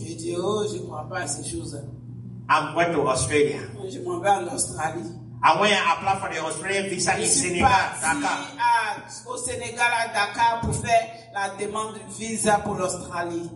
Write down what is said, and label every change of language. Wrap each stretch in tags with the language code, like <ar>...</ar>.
<fr>Je dis, oh, je crois pas à ces choses.</fr> <en>I'm going to Australia.</en> <fr>Je m'en vais en Australie.</fr> <en>I went and applied for the Australian visa in Senegal, Dakar.</en> <fr>Au Sénégal, à Dakar, pour faire la demande de visa pour l'Australie.</fr>